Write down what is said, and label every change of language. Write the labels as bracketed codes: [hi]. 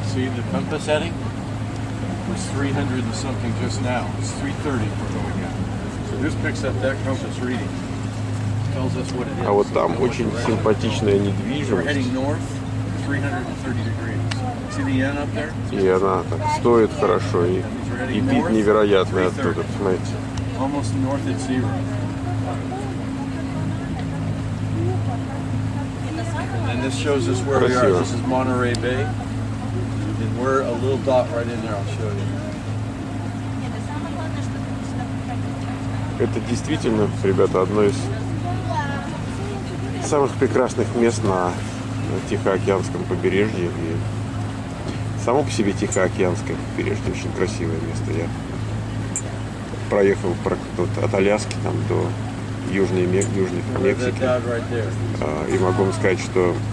[en] See the compass heading? It was 300 and something just now. It's 330 we're going at. So this picks up that compass reading. Tells us what it is. [ru] А вот там очень симпатичная недвижимость. [en] We're heading north, 330 degrees. See the N up there? [ru] И она так стоит хорошо, и вид невероятный оттуда, понимаете? [en] Almost north at zero. And this shows us where [ru] Красиво. [en] We are. This is Monterey Bay. And we're a little dot right in there, I'll show you. [ru] Это действительно, ребята, одно из самых прекрасных мест на Тихоокеанском побережье. И само по себе Тихоокеанское побережье очень красивое место. Я проехал вот от Аляски там до Южной Мексики. И могу вам сказать, что